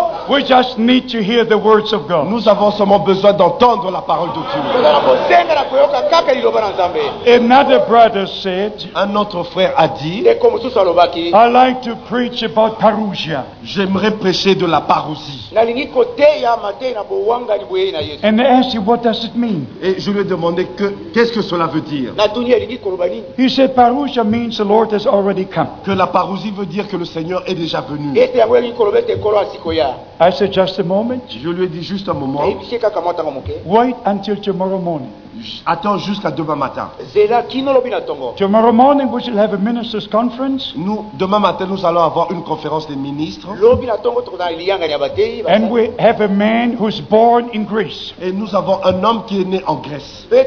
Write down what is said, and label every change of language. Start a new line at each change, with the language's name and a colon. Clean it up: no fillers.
English: We just need to hear the words of God.
French: Nous avons seulement besoin d'entendre la parole de Dieu.
English: Another brother said,
French: un autre frère a dit,
English: I like to preach about parousia.
French: J'aimerais prêcher de la parousie.
English: And they asked him, what does it mean?
French: Et je lui ai demandé, qu'est-ce que cela veut dire?
English: He said, parousia means the Lord has already come.
French: Que la parousie veut dire que le Seigneur est déjà venu.
English: I said, just a moment.
French: Je lui ai dit, juste un moment.
English: Wait until tomorrow morning.
French: Attends jusqu'à demain matin.
English: Tomorrow morning we shall have a ministers' conference.
French: Nous, demain matin, nous allons avoir une conférence des ministres.
English: And we have a man who's born in Greece.
French: Et nous avons un homme qui est né en Grèce.